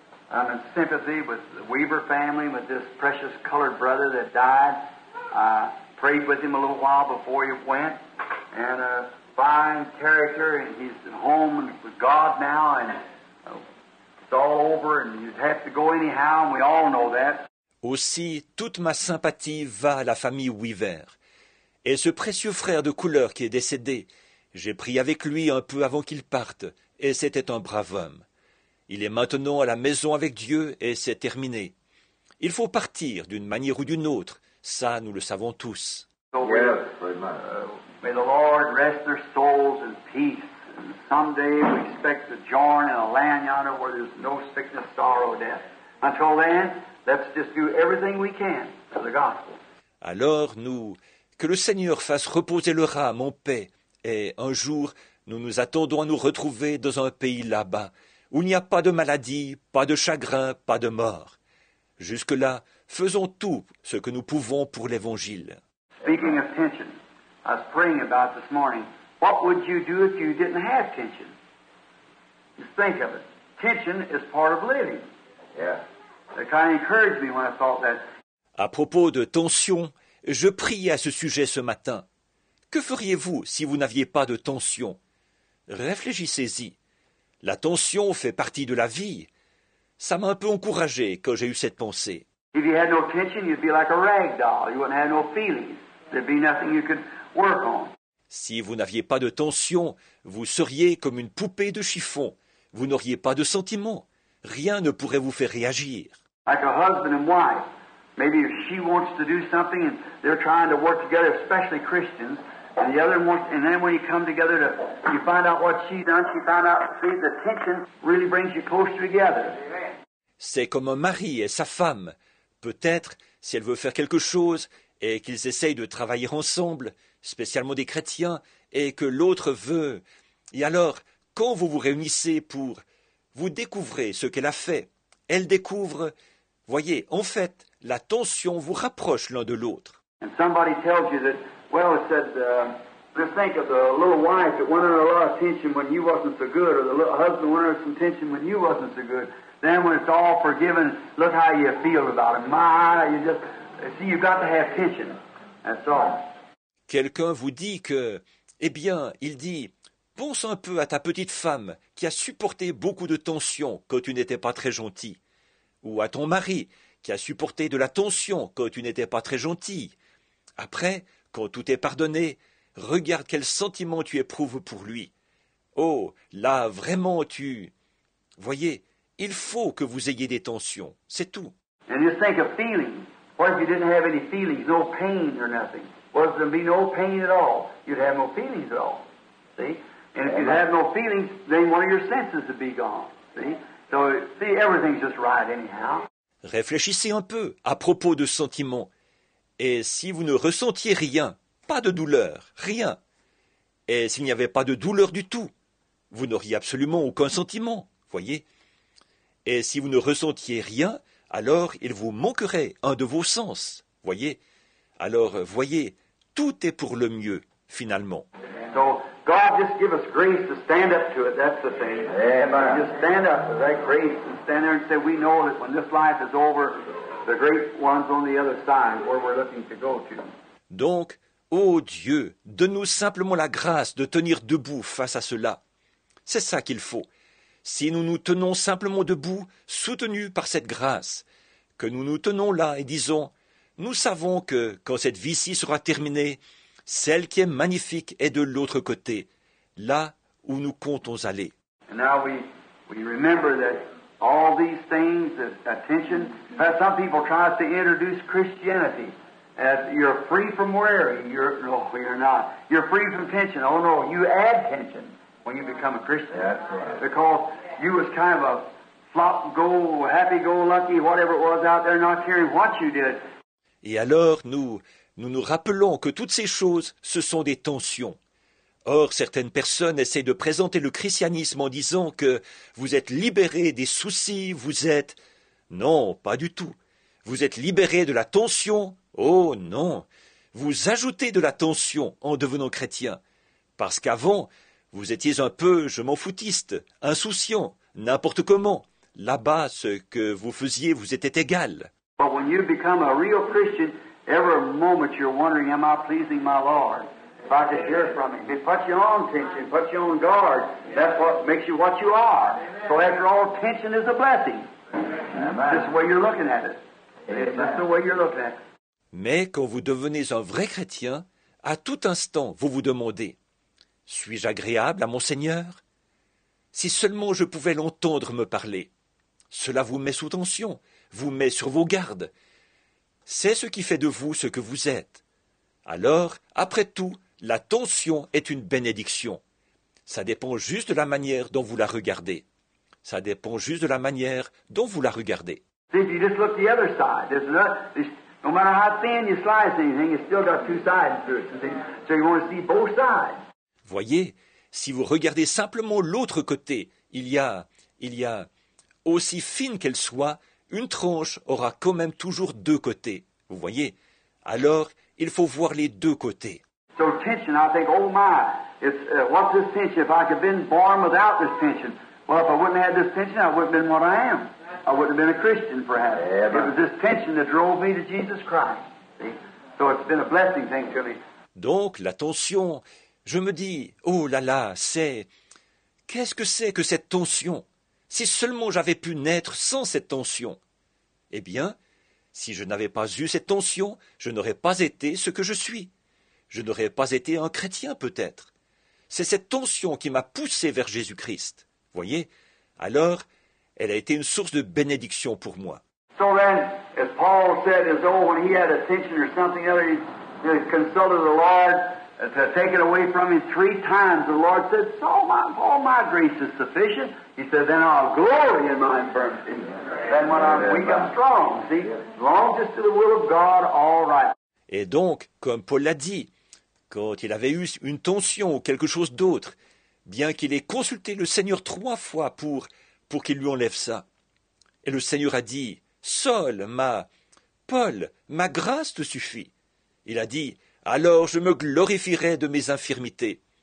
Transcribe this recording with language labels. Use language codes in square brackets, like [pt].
[en] I'm in sympathy with the Weaver family, with this precious colored brother that died. I prayed with him a little while before he went. And a fine character, and he's at home with God now, and it's all over, and you'd have to go anyhow, and we all know that. [fr] Aussi, toute ma sympathie va à la famille Weaver. Et ce précieux frère de couleur qui est décédé, j'ai prié avec lui un peu avant qu'il parte, et c'était un brave homme. Il est maintenant à la maison avec Dieu et c'est terminé. Il faut partir d'une manière ou d'une autre, ça nous le savons tous. [en] May the Lord rest their souls in peace. And someday we expect to join in a land yonder where there's no sickness, sorrow, death. Until then, let's just do everything we can for the gospel. [fr] Alors nous, que le Seigneur fasse reposer leur âme en paix, et un jour nous nous attendons à nous retrouver dans un pays là-bas. Où il n'y a pas de maladie, pas de chagrin, pas de mort. Jusque-là, faisons tout ce que nous pouvons pour l'Évangile. [en] Speaking of tension, I was praying about this morning. What would you do if you didn't have tension? Just think of it. Tension is part of living. Yeah. That kind of encouraged me when I thought that. [fr] À propos de tension, je priais à ce sujet ce matin. Que feriez-vous si vous n'aviez pas de tension? Réfléchissez-y. La tension fait partie de la vie. Ça m'a un peu encouragé quand j'ai eu cette pensée. [en] If you had no tension, you'd be like a rag doll. You wouldn't have no feelings. There'd be nothing you could work on. [fr] Si vous n'aviez pas de tension, vous seriez comme une poupée de chiffon. Vous n'auriez pas de sentiments. Rien ne pourrait vous faire réagir. [en] Like a husband and wife. Maybe if she wants to do something and they're trying to work together, especially Christians, and the other wants, and then when you come together to, you find out what she's done, she found out, see, the tension really brings you closer together. [fr] C'est comme un mari et sa femme. Peut-être, si elle veut faire quelque chose et qu'ils essayent de travailler ensemble, spécialement des chrétiens, et que l'autre veut. Et alors, quand vous vous réunissez pour, vous découvrez ce qu'elle a fait. Elle découvre, voyez, en fait, la tension vous rapproche l'un de l'autre. [en] And somebody tells you that, well, it said, just think of the little wife that went under a lot of tension when you wasn't so good, or the little husband went under some tension when you wasn't so good. Then when it's all forgiven, look how you feel about it. My, you just, see, you've got to have tension. That's all. [fr] Quelqu'un vous dit que, eh bien, il dit, pense un peu à ta petite femme qui a supporté beaucoup de tension quand tu n'étais pas très gentil. Ou à ton mari qui a supporté de la tension quand tu n'étais pas très gentil. Après, quand tout est pardonné, regarde quel sentiment tu éprouves pour lui. Oh, là, vraiment, tu... Voyez, il faut que vous ayez des tensions, c'est tout. [en] And just think of feelings. What if you didn't have any feelings, no pain or nothing? Was there be no pain at all? You'd have no feelings at all, see? And if you have no feelings, then one of your senses would be gone, see? So, see, everything's just right anyhow. [fr] Réfléchissez un peu à propos de sentiments. Et si vous ne ressentiez rien, pas de douleur, rien, et s'il n'y avait pas de douleur du tout, vous n'auriez absolument aucun sentiment, voyez. Et si vous ne ressentiez rien, alors il vous manquerait un de vos sens, voyez. Alors, voyez, tout est pour le mieux, finalement. [en] So, God just give us grace to stand up to it, that's the thing. Amen. Just stand up to that grace and stand there and say, we know that when this life is over, the great one's on the other side, where we're looking to go to. [fr] Donc, ô Dieu, donne-nous simplement la grâce de tenir debout face à cela. C'est ça qu'il faut. Si nous nous tenons simplement debout, soutenus par cette grâce, que nous nous tenons là et disons, nous savons que, quand cette vie-ci sera terminée, celle qui est magnifique est de l'autre côté, là où nous comptons aller. [en] And now we remember that all these things, attention, some people try to introduce Christianity. As you're free from worry, you're not. You're free from tension. Oh no, you add tension when you become a Christian. That's right. Because you was kind of a flop-go, happy-go-lucky, whatever it was out there, not caring what you did. [fr] Et alors, nous nous rappelons que toutes ces choses, ce sont des tensions. Or, certaines personnes essaient de présenter le christianisme en disant que vous êtes libérés des soucis, vous êtes... Non, pas du tout. Vous êtes libérés de la tension. Oh non, vous ajoutez de la tension en devenant chrétien. Parce qu'avant, vous étiez un peu, je m'en foutiste, insouciant, n'importe comment. Là-bas, ce que vous faisiez vous était égal. [en] But when you become a real Christian, every moment you're wondering, am I pleasing my Lord? If I could hear from him. It puts you on tension, puts you on guard. That's what makes you what you are. So after all, tension is a blessing. That's the way you're looking at it. That's the way you're looking at it. [fr] Mais quand vous devenez un vrai chrétien, à tout instant, vous vous demandez, suis-je agréable à mon Seigneur? Si seulement je pouvais l'entendre me parler. Cela vous met sous tension, vous met sur vos gardes. C'est ce qui fait de vous ce que vous êtes. Alors, après tout, la tension est une bénédiction. Ça dépend juste de la manière dont vous la regardez. Ça dépend juste de la manière dont vous la regardez. [en] See, if you just look the other side, no matter how thin you slice anything, it's still got two sides to it. So you want to see both sides. [fr] Voyez, si vous regardez simplement l'autre côté, il y a aussi fine qu'elle soit, une tranche aura quand même toujours deux côtés. Vous voyez? Alors, il faut voir les deux côtés. [en] So tension, I think, oh my, it's, what's this tension? If I could have been born without this tension, well, if I wouldn't have had this tension, I wouldn't have been what I am. I wouldn't have been a Christian, perhaps. Yeah, it was this tension that drove me to Jesus Christ. See? So it's been a blessing, thankfully. [fr] Donc, la tension, je me dis, oh là là, c'est... Qu'est-ce que c'est que cette tension? Si seulement j'avais pu naître sans cette tension. Eh bien, si je n'avais pas eu cette tension, je n'aurais pas été ce que je suis. Je n'aurais pas été un chrétien, peut-être. C'est cette tension qui m'a poussé vers Jésus-Christ. Voyez, alors, elle a été une source de bénédiction pour moi. [en] So then, as Paul said, as though when he had a tension or something other, he consulted the Lord to take it away from him three times, the Lord said, so all my grace is sufficient. He said, then I'll glory in my infirmity. Then when I'm weak, I'm strong. See, as long as it's to the will of God, all right. [fr] Et donc, comme Paul l'a dit, quand il avait eu une tension ou quelque chose d'autre, bien qu'il ait consulté le Seigneur trois fois pour qu'il lui enlève ça. Et le Seigneur a dit, « Paul, ma grâce te suffit. » Il a dit, « Alors je me glorifierai de mes infirmités.